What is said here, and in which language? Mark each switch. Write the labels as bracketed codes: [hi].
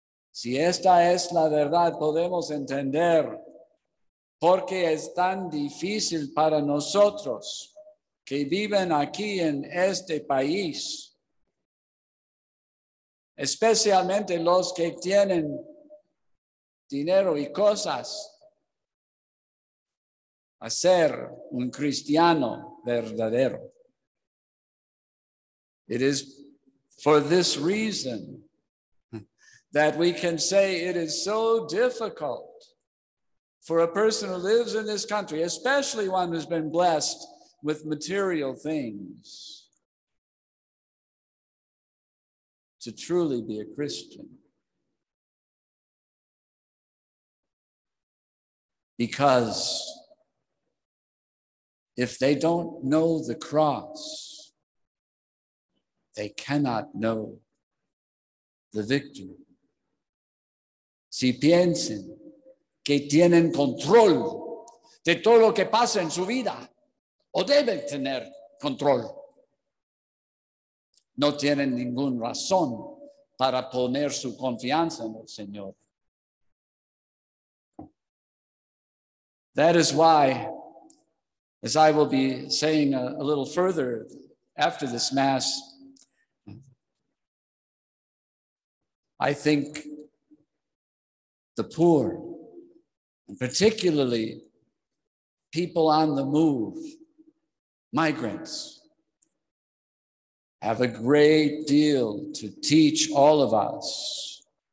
[es] Si esta es la verdad, podemos entender por qué es tan difícil para nosotros que viven aquí en este país, especialmente los que tienen dinero y cosas, a ser un cristiano verdadero. [en] It is for this reason that we can say it is so difficult for a person who lives in this country, especially one who's been blessed with material things, to truly be a Christian. Because if they don't know the cross, they cannot know the victory. [es] Si piensen que tienen control de todo lo que pasa en su vida, o deben tener control, no tienen ninguna razón para poner su confianza en el Señor. [en] That is why, as I will be saying a little further after this Mass, I think the poor, and particularly people on the move, migrants, have a great deal to teach all of us.